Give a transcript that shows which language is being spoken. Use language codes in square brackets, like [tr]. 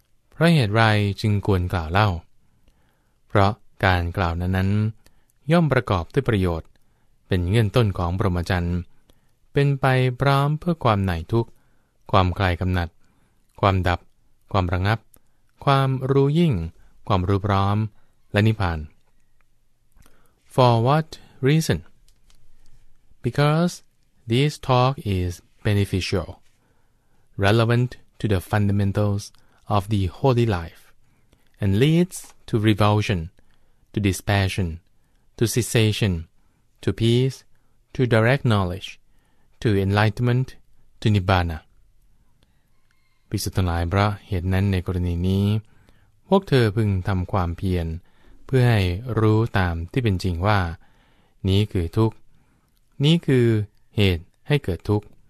[th] เพราะเหตุไรจึงควรกล่าวเล่าเพราะการกล่าวนั้นย่อมประกอบด้วยประโยชน์เป็นเงื่อนต้นของพรหมจรรย์เป็นไปพร้อมเพื่อความไหนทุกข์ความคลายกำหนัดความดับความระงับความรู้ยิ่งความรู้พร้อมและนิพพาน [en] For what reason? BecauseThis talk is beneficial, relevant to the fundamentals of the holy life, and leads to revulsion, to dispassion, to cessation, to peace, to direct knowledge, to enlightenment to nibbana [th] ภิกษุทั้งหลายพระเหตุนั้นในกรณีนี้พวกเธอพึงทำความเพียรเพื่อให้รู้ตามที่เป็นจริงว่านี้คือทุกข์นี้คือเหตุให้เกิดทุกข์